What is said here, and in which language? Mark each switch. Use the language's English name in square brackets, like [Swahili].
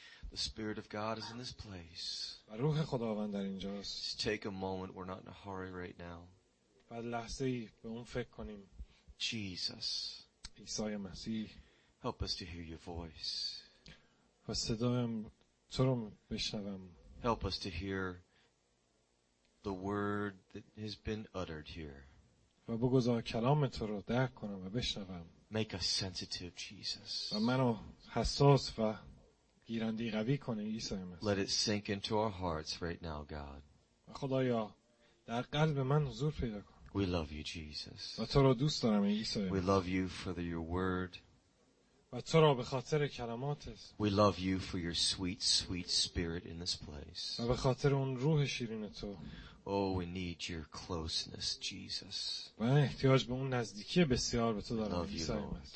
[English] The Spirit of God is in this place. [Persian] روح خداوند در اینجاست. [English] Just take a moment. We're not in a hurry right now. [Persian] بعد لحظه ای به اون فکر کنیم. [English] Jesus. [Persian] عیسی مسیح. [English] Help us to hear your voice. [Persian] و صدایم تو رو بشنوم. [English] Help us to hear the word that has been uttered here. [Persian] و بگذار کلام تو رو درک کنم و بشنوم. [English] Make us sensitive, Jesus. [Persian] و منو حساس و گیرندی قوی کنه عیسی مسیح. [English] Let it sink into our hearts right now, God. [Persian] خدایا در قلب من حضور پیدا کن. [English] We love you, Jesus. [Persian] و تو رو دوست دارم عیسی مسیح. [English] We love you for your word. [Persian] و تو رو به خاطر کلماتت. [English] We love you for your sweet, sweet spirit in this place. [Persian] و به خاطر اون روح شیرین تو. [English] Oh, we need your closeness, Jesus. [Persian] و احتیاج به اون نزدیکی بسیار به تو دارم عیسی مسیح.